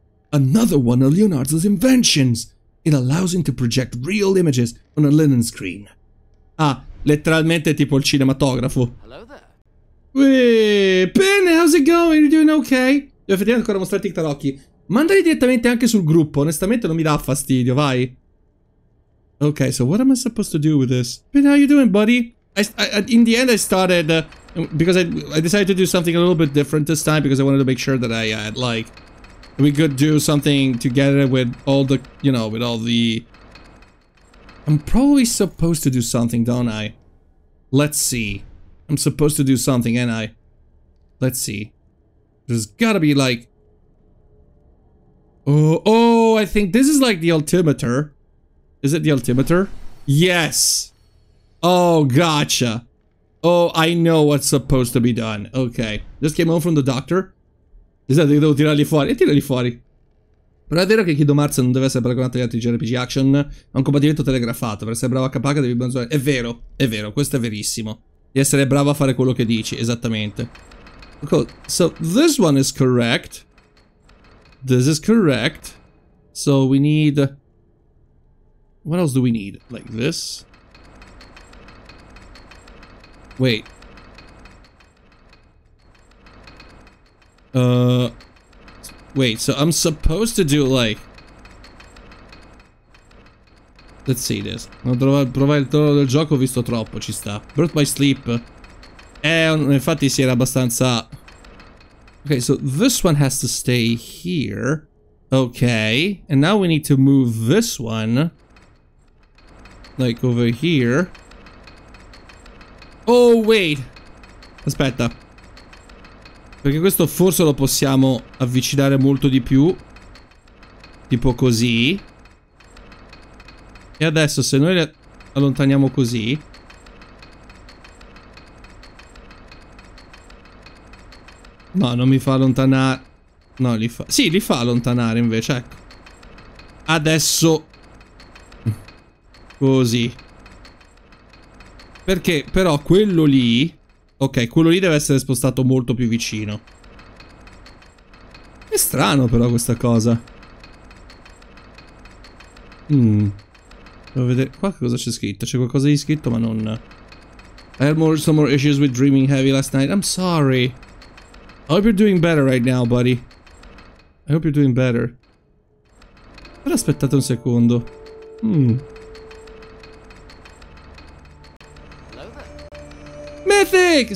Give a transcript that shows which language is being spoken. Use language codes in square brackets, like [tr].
[en] Another one of Leonardo's inventions. It allows him to project real images on a linen screen. [it] Ah, letteralmente tipo il cinematografo. Bene, [en] how's it going? You doing okay? [it] Devo effettivamente ancora mostrare i tarocchi. Mandali direttamente anche sul gruppo, onestamente non mi dà fastidio, vai. [en] Ok, so what am I supposed to do with this? But how you doing, buddy? In the end I started, because I decided to do something a little bit different this time, because I wanted to make sure that I had, like, we could do something together with all the, you know, with all the... I'm probably supposed to do something, don't I? Let's see. I'm supposed to do something, ain't I? Let's see. There's gotta be, like... Oh, I think this is, like, the altimeter. Is it the altimeter? Yes! Oh, gotcha. Oh, I know what's supposed to be done. Okay. Just came home from the doctor. [it] Esatto, devo tirarli fuori. [en] E tirarli fuori. [it] Però è vero che Kingdom Hearts non deve essere paragonato agli altri JRPG action. È un combattimento telegrafato. Per essere bravo a capaca devi bronzare. È vero. Questo è verissimo. Di essere bravo a fare quello che dici. Esattamente. [en] Cool. So, this one is correct. This is correct. So, we need... What else do we need? Like this... Wait. Wait, so I'm supposed to do like... Let's see this. [it] Non provare il toro del gioco, ho visto troppo, ci sta. Birth by sleep. Infatti si era abbastanza... [en] Okay, so this one has to stay here. Okay. And now we need to move this one. Like over here. Oh, wait! [it] Aspetta. Perché questo forse lo possiamo avvicinare molto di più. Tipo così. E adesso se noi le allontaniamo così... No, non mi fa allontanare... No, li fa... Sì, li fa allontanare invece, ecco. Adesso... Così. Perché, però, quello lì... Ok, quello lì deve essere spostato molto più vicino. È strano, però, questa cosa. Devo vedere... Qua cosa c'è scritto? C'è qualcosa di scritto, ma non... [en] I had some more issues with dreaming heavy last night. I'm sorry. I hope you're doing better right now, buddy. I hope you're doing better. [it] Però aspettate un secondo. Mythic!